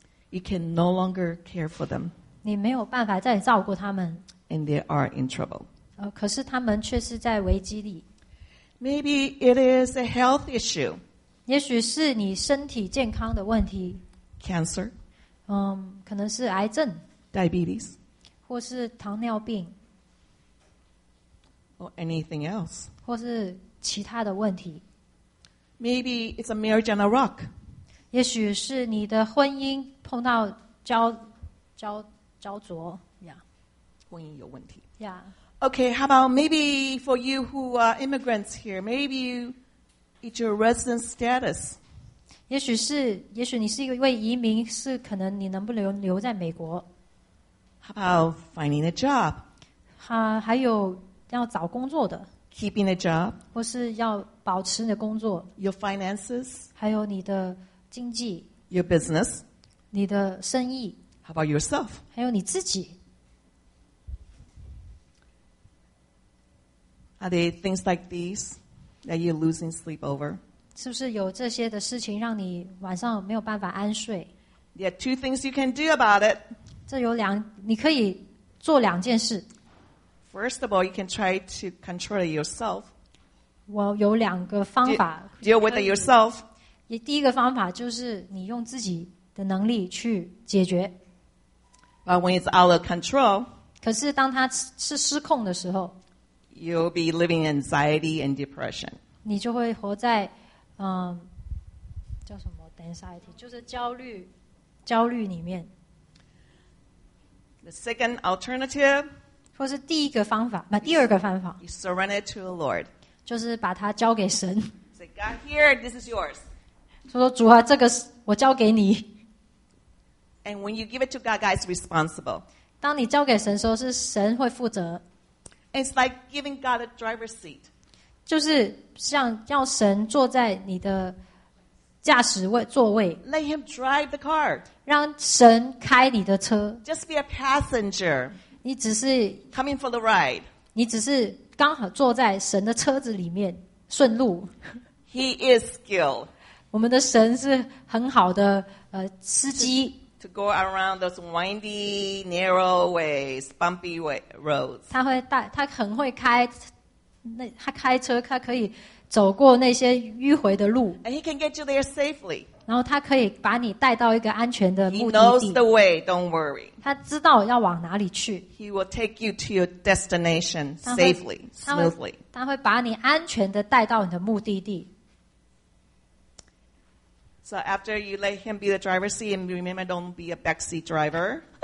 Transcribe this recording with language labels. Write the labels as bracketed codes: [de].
[en] You can no longer care for them. [zh] 你没有办法再照顾他们。 [en] And they are in trouble. [zh] 可是他们却是在危机里。 [en] Maybe it is a health issue. [zh] 也许是你身体健康的问题。 [en] Cancer. [zh] 可能是癌症。 [en] Diabetes. [zh] 或是糖尿病。 [en] Or anything else. [zh] 或是其他的问题。 [en] Maybe it's a marriage on a rock. [zh] 也许是你的婚姻碰到焦灼 yeah. 婚姻有问题 yeah. [en] Okay, how about maybe for you who are immigrants here, maybe you, it's your resident status. [zh] 也许你是一位移民，是可能你能不能留在美国。 [en] How about finding a job? [zh] 还有要找工作的。 [en] Keeping a job. [zh] 或是要保持你的工作。 [en] Your finances. [zh] 还有你的经济。 [en] Your business. [zh] 你的生意。 [en] How about yourself? [zh] 还有你自己。 [en] Are there things like these that you're losing sleep over? [zh] 是不是有这些的事情让你晚上没有办法安睡？ [en] There are two things you can do about it. [zh] 这有两，你可以做两件事。 [en] First of all, you can try to control it yourself. [zh] 我有两个方法。 [en] Deal with it yourself. [zh] 第一个方法就是你用自己的能力去解决。 [en] But when it's out of control, [zh] 可是当它是失控的时候 [en] you'll be living in anxiety and depression. [zh] 你就会活在叫什么 anxiety, 就是焦虑里面。 [en] The second alternative, [zh] 或是第一个方法，第二个方法 [en] you surrender to the Lord. [zh] 就是把它交给神。 [en] Say, God, here, this is yours. [zh] 说主啊，这个是我交给你。 [en] And when you give it to God, God is responsible. [zh] 当你交给神的时候，是神会负责。 [en] It's like giving God a driver's seat. [zh] 就是像要神坐在你的驾驶位座位。 [en] Let him drive the car. [zh] 让神开你的车。 [en] Just be a passenger. [zh] 你只是 [en] coming for the ride. [zh] 你只是刚好坐在神的车子里面顺路。 [en] He is skilled. [zh] 我们的神是很好的司机。 [en] To go around those windy, narrow ways, bumpy roads. [zh] 他很会开，他开车，他可以走过那些迂回的路。 [en] And he can get you there safely. [zh] 然后他可以把你带到一个安全的目的地。 [en] He knows the way. Don't worry. [zh] 他知道要往哪里去。 [en] He will take you to your destination safely, smoothly. [zh] 他会把你安全的带到你的目的地。 [en] So after you let him be the driver's seat, and remember, don't be a backseat driver.